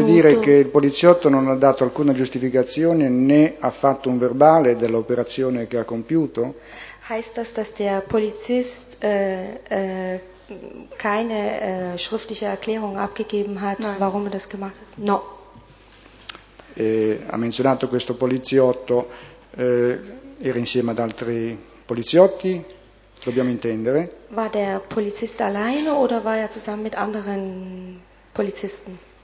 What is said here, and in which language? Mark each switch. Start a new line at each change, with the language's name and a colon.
Italian: Vuole dire che il poliziotto non ha dato alcuna giustificazione né ha fatto un verbale dell'operazione che ha compiuto?
German: Heißt das, dass der Polizist keine schriftliche Erklärung abgegeben hat, Nein. warum er das gemacht hat?
Italian: No. Ha menzionato questo poliziotto, era insieme ad altri poliziotti, dobbiamo intendere?
German: War der Polizist alleine oder war er zusammen mit anderen Polizisten?